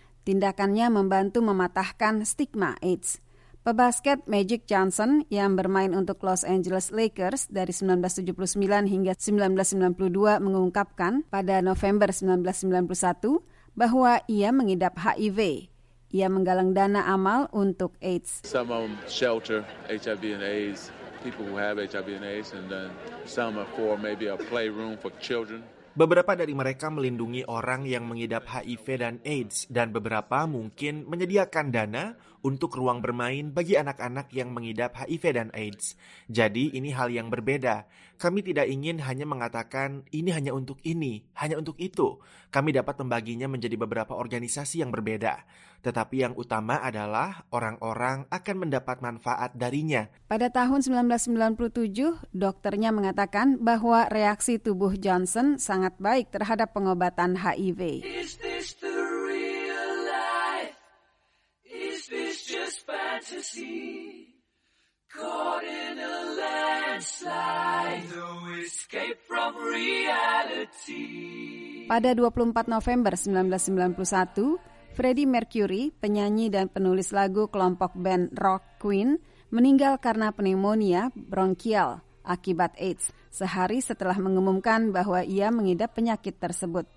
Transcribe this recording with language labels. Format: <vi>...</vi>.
<id>Tindakannya membantu mematahkan stigma AIDS. Pebasket Magic Johnson yang bermain untuk Los Angeles Lakers dari 1979 hingga 1992 mengungkapkan pada November 1991 bahwa ia mengidap HIV. Ia menggalang dana amal untuk AIDS.</id> <en>Some of them shelter HIV and AIDS, people who have HIV and AIDS, and then some are for maybe a playroom for children.</en> <id>Beberapa dari mereka melindungi orang yang mengidap HIV dan AIDS, dan beberapa mungkin menyediakan dana untuk ruang bermain bagi anak-anak yang mengidap HIV dan AIDS. Jadi ini hal yang berbeda. Kami tidak ingin hanya mengatakan ini hanya untuk ini, hanya untuk itu. Kami dapat membaginya menjadi beberapa organisasi yang berbeda. Tetapi yang utama adalah orang-orang akan mendapat manfaat darinya. Pada tahun 1997, dokternya mengatakan bahwa reaksi tubuh Johnson sangat baik terhadap pengobatan HIV.</id> <en>Is this the real life? Is this just fantasy? Caught in a landslide, no escape from reality.</en> <id>Pada 24 November 1991, Freddie Mercury, penyanyi dan penulis lagu kelompok band Rock Queen, meninggal karena pneumonia bronkial akibat AIDS sehari setelah mengumumkan bahwa ia mengidap penyakit tersebut.</id>